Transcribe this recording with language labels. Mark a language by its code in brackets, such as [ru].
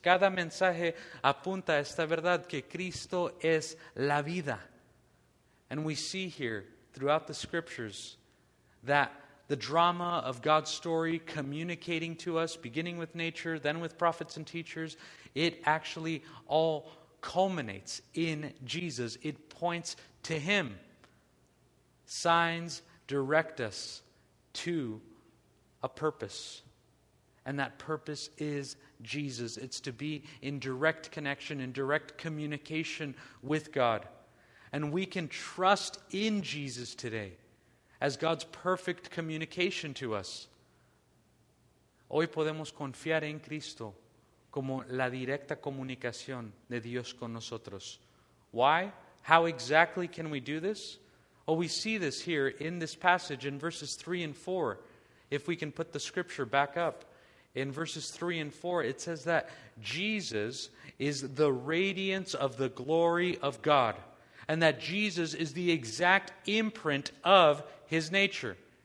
[es] Cada mensaje apunta a esta verdad que Cristo es la vida. [en] And we see here throughout the scriptures that the drama of God's story communicating to us, beginning with nature, then with prophets and teachers, it actually all culminates in Jesus. It points to him. Signs direct us to a purpose. And that purpose is Jesus. It's to be in direct connection, in direct communication with God. And we can trust in Jesus today as God's perfect communication to us. [es] Hoy podemos confiar en Cristo como la directa comunicación de Dios con nosotros. [en] Why? How exactly can we do this? Well, we see this here in this passage in verses 3 and 4. If we can put the scripture back up. In verses 3 and 4, it says that Jesus is the radiance of the glory of God. And that Jesus is the exact imprint of his nature.